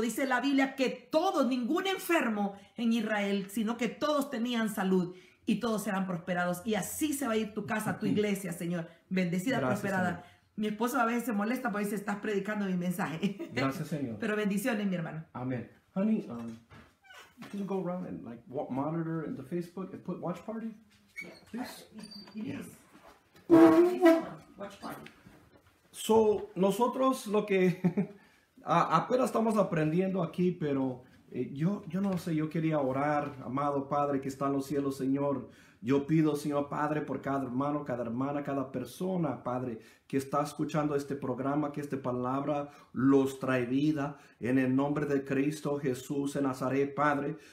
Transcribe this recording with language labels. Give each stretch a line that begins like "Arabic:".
Spanish: Dice la Biblia que todos, ningún enfermo en Israel, sino que todos tenían salud y todos serán prosperados. Y así se va a ir tu casa, tu iglesia, Señor, bendecida, gracias, prosperada. Señor. Mi esposo a veces se molesta porque dice, estás predicando mi mensaje. Gracias, Señor. Pero bendiciones, mi hermano. Amén.
English: Honey, you can go around and like monitor the Facebook and put watch party, please. Yes. Yeah. Watch party.
Spanish: So nosotros lo que apenas estamos aprendiendo aquí, pero yo no sé. Yo quería orar, amado Padre que está en los cielos, Señor. Yo pido, Señor Padre, por cada hermano, cada hermana, cada persona, Padre, que está escuchando este programa, que esta palabra los trae vida en el nombre de Cristo Jesús en Nazaret, Padre.